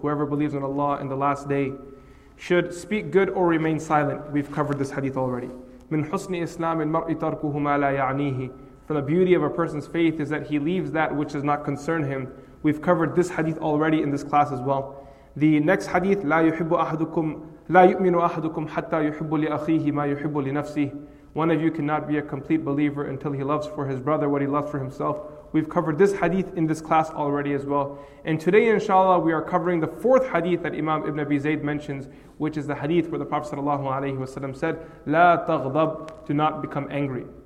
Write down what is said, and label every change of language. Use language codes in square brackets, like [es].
[en] Whoever believes in Allah in the last day should speak good or remain silent. We've covered this hadith already. [ar] مِنْ حُسْنِ إِسْلَامِ الْمَرْءِ تَرْكُهُ مَا لَا يَعْنِيهِ. [en] From the beauty of a person's faith is that he leaves that which does not concern him. We've covered this hadith already in this class as well. The next hadith, [ar] لَا يُؤْمِنُ أَحَدُكُمْ حَتَّى يُحِبُّ لِأَخِيهِ مَا يُحِبُّ لِنَفْسِهِ. [en] One of you cannot be a complete believer until he loves for his brother what he loves for himself. We've covered this hadith in this class already as well. And today, inshallah, we are covering the fourth hadith that Imam Ibn Abi Zayd mentions, which is the hadith where the Prophet sallallahu alayhi wasallam said, La taghdab, do not become angry.